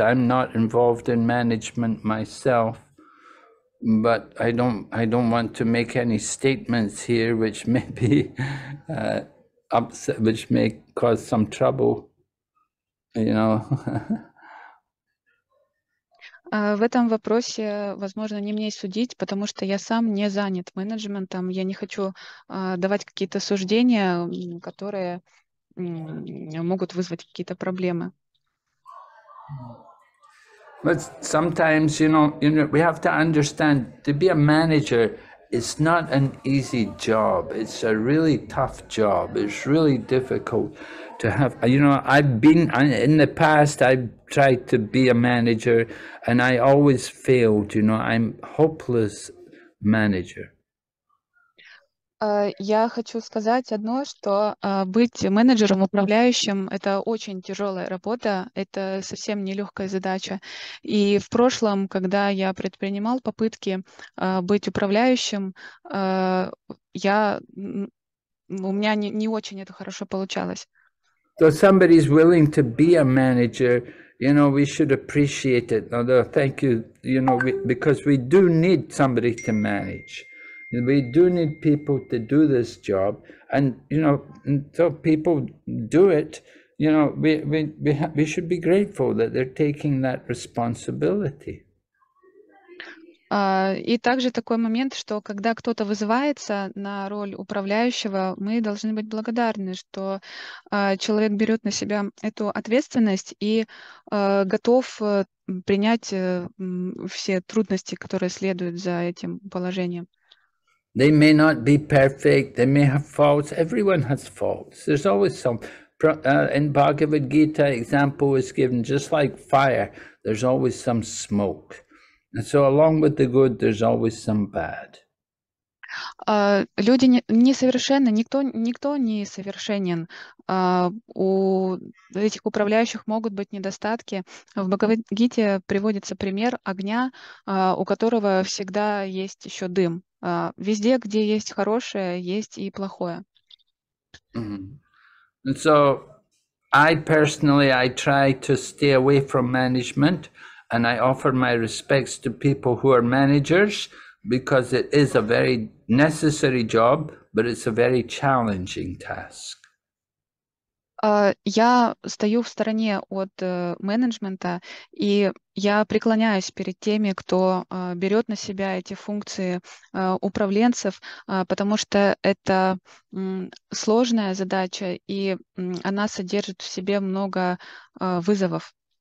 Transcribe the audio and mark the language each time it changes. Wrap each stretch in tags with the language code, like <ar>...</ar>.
<en>I'm not involved in management myself, but I don't want to make any statements here which may be upset, which may cause some trouble, you know.</en> <ru>В этом вопросе, возможно, не мне судить, потому что я сам не занят менеджментом. Я не хочу давать какие-то суждения, которые могут вызвать какие-то проблемы.</ru> <en>But sometimes, you know, we have to understand, to be a manager is not an easy job. It's a really tough job. It's really difficult to have, you know, in the past, I've tried to be a manager and I always failed, you know, I'm hopeless manager.</en> <ru>Я хочу сказать одно, что быть менеджером, управляющим — это очень тяжелая работа, это совсем нелегкая задача. И в прошлом, когда я предпринимал попытки быть управляющим, у меня не очень это хорошо получалось.</ru> <en>So somebody is willing to be a manager, you know, we should appreciate it. Although, thank you, you know, because we do need somebody to manage. We do need people to do this job, and you know, until people do it, you know, we should be grateful that they're taking that responsibility.</en> <ru>И также такой момент, что когда кто-то вызывается на роль управляющего, мы должны быть благодарны, что человек берет на себя эту ответственность и готов принять все трудности, которые следуют за этим положением.</ru> <en>They may not be perfect, they may have faults, everyone has faults. There's always some, in Bhagavad Gita, example is given, just like fire, there's always some smoke. And so along with the good, there's always some bad.</en> <ru>Люди несовершенны, никто не совершенен. У этих управляющих могут быть недостатки. В Бхагавад-гите приводится пример огня, у которого всегда есть еще дым. Везде, где есть хорошее, есть и плохое. Mm-hmm.</ru> <en>And so I personally, I try to stay away from management, and I offer my respects to people who are managers, because it is a very necessary job, but it's a very challenging task.</en> <ru>Я стою в стороне от менеджмента, и я преклоняюсь перед теми, кто берет на себя эти функции управленцев, потому что это сложная задача, и она содержит в себе много вызовов.</ru>